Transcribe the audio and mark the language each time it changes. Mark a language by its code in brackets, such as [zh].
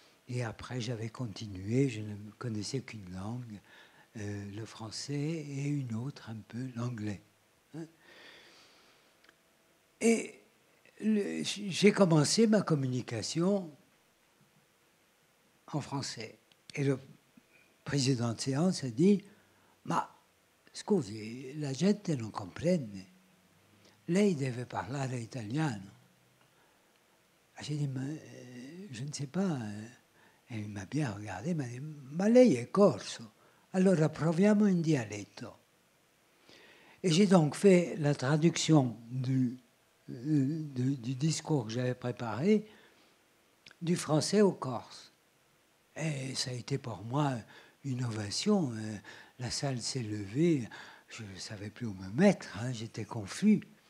[fr] Et après, j'avais continué. Je ne connaissais qu'une langue, le français, et une autre un peu, l'anglais. Et j'ai commencé ma communication en français. Et le président de séance a dit... [it] Ma, scusi, la gente non comprende. Lei deve parlare italiano. [fr] J'ai dit, je ne sais pas. Elle m'a bien regardé, m'a dit, [it] ma lei è corso. Allora proviamo in dialetto. [fr] Et j'ai donc fait la traduction du discours que j'avais préparé du français au corse. Et ça a été pour moi une ovation. La salle s'est levée, je ne savais plus où me mettre, j'étais confus.